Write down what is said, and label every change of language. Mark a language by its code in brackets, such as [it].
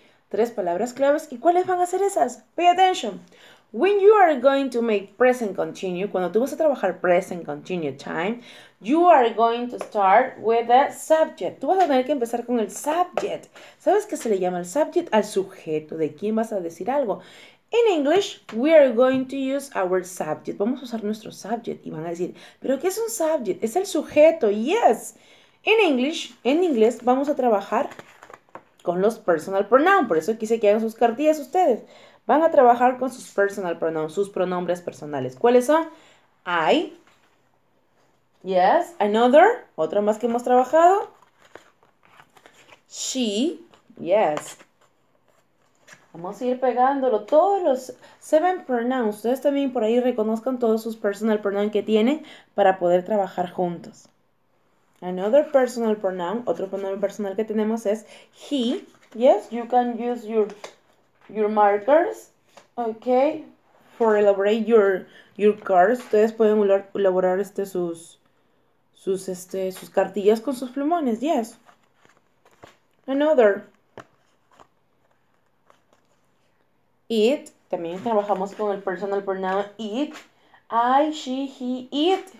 [es] Tres palabras claves, ¿y cuáles van a ser esas? [en] Pay attention. When you are going to make present continue, [es] cuando tú vas a trabajar present continue time, [en] you are going to start with the subject. [es] Tú vas a tener que empezar con el subject. ¿Sabes qué se le llama el subject? Al sujeto, ¿de quién vas a decir algo? [en] In English, we are going to use our subject. [es] Vamos a usar nuestro subject. Y van a decir, ¿pero qué es un subject? Es el sujeto. Yes. [en] In English, [es] en inglés, vamos a trabajar con los personal pronouns. Por eso quise que hagan sus cartillas ustedes. Van a trabajar con sus personal pronouns, sus pronombres personales. ¿Cuáles son? I. Yes. Another. Otro más que hemos trabajado. She. Yes. Vamos a ir pegándolo, todos los 7 pronouns. Ustedes también por ahí reconozcan todos sus personal pronouns que tienen para poder trabajar juntos. [en] Another personal pronoun, [es] otro pronombre personal que tenemos es he. [en] Yes, you can use your markers, okay, for elaborate your cards. [es] Ustedes pueden elaborar sus cartillas con sus plumones, [en] yes. Another. [es] It, también trabajamos con el personal pronoun it, I, she, he, it.